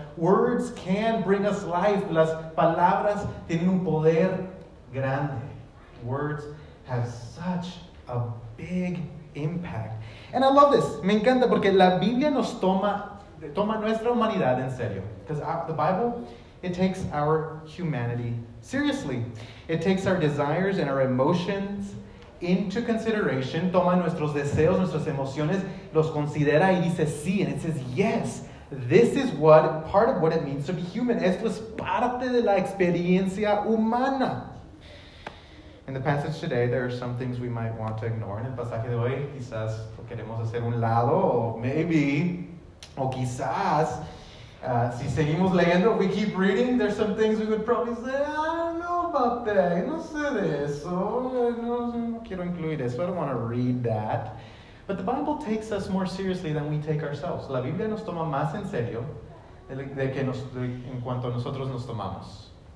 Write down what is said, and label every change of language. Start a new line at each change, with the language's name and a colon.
English: Words can bring us life.
Spanish: Las palabras tienen un poder grande.
English: Words have such a big impact. And I love this.
Spanish: Me encanta porque la Biblia nos toma nuestra humanidad en serio.
English: Because the Bible, it takes our humanity seriously. It takes our desires and our emotions into consideration.
Spanish: Toma nuestros deseos, nuestras emociones, los considera y dice sí.
English: And it says yes. This is what part of what it means to be human.
Spanish: Esto es parte de la experiencia humana.
English: In the passage today, there are some things we might want to ignore.
Spanish: En el pasaje de hoy, quizás lo queremos hacer un lado, si seguimos leyendo,
English: we keep reading, there's some things we would probably say, I don't know about that,
Spanish: no sé de eso, no quiero incluir eso,
English: I don't want to read that. But the Bible takes us more seriously than we take ourselves.
Spanish: La Biblia nos toma más en serio en cuanto a nosotros nos tomamos.